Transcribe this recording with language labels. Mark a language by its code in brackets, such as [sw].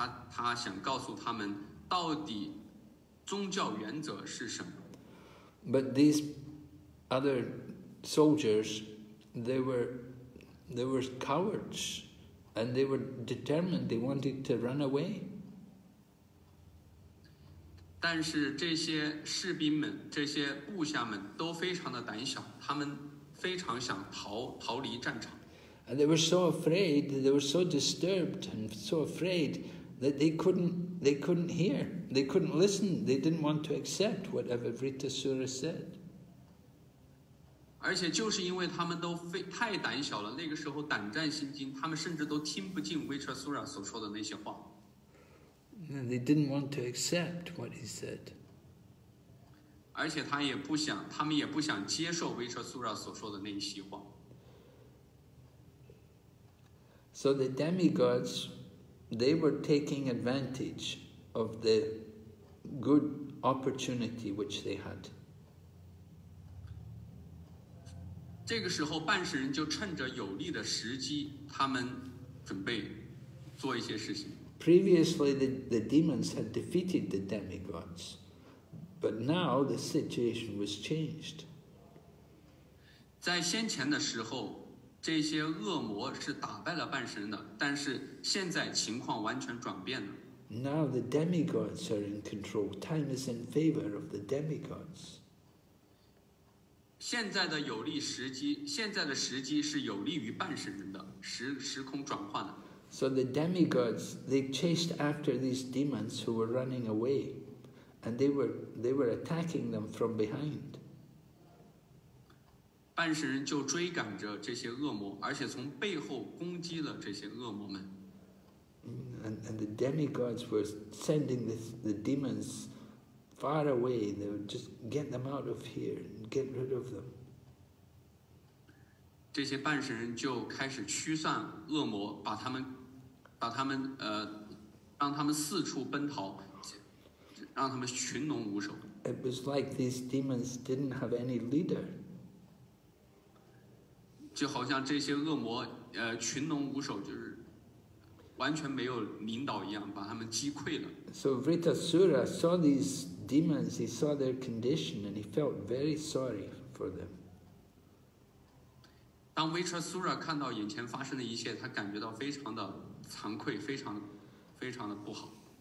[zh] 他想告诉他们到底。宗教原则是什么？ [en] But these other soldiers, they were cowards, and they were determined. They wanted to run away. [zh] 但是这些士兵们，这些部下们都非常的胆小，他们非常想逃离战场。 [en] And they were so afraid, they were so disturbed and so afraid that they couldn't hear. They couldn't listen. They didn't want to accept whatever Vritasura said. [zh] 而且就是因为他们都太胆小了，那个时候胆战心惊，他们甚至都听不进 Vritasura 所说的那些话。 [en] And they didn't want to accept what he said. [zh] 而且他也不想，他们也不想接受 Vritasura 所说的那些话。 [en] So the demigods, they were taking advantage. Of the good opportunity which they had. [zh] 这个时候，半神人就趁着有利的时机，他们准备做一些事情。 [en] Previously, the demons had defeated the demigods, but now the situation was changed. [zh] 在先前的时候，这些恶魔是打败了半神人的，但是现在情况完全转变了。 [en] Now the demigods are in control. Time is in favor of the demigods. [zh] 现在的有利时机，现在的时机是有利于半神人的，时空转换了。 [en] So the demigods, they chased after these demons who were running away, and they were attacking them from behind. [zh] 半神人就追赶着这些恶魔，而且从背后攻击了这些恶魔们。 [en] And the demigods were sending the demons far away. They would just get them out of here and get rid of them. [zh] 这些半神人就开始驱散恶魔，把他们让他们四处奔逃，让他们群龙无首。 [en] It was like these demons didn't have any leader. [zh] 就好像这些恶魔群龙无首，就是。完全没有领导一样，把他们击溃了。 [en] So Vritasura saw these demons, he saw their condition, and he felt very sorry for them. [zh] 当 Vritasura 看到眼前发生的一切，他感觉到非常的惭愧，非常的不好。